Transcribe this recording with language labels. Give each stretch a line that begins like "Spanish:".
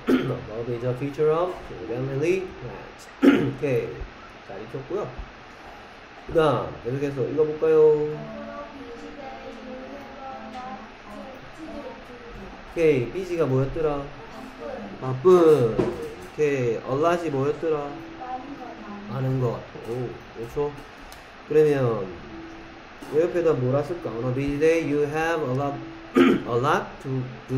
English: Bulb is a feature of tulip and lily plants.
Korean: 오케이, 잘 익혔고요. 그 다음 계속해서 읽어볼까요? 오케이, 비지가 뭐였더라? 바쁜. 오케이, 얼라지 뭐였더라? 아는 것. 아는 것. 오, 그렇죠? 그러면 왜 옆에다 뭐라 쓸까?
English: On a busy day, you have a lot to do.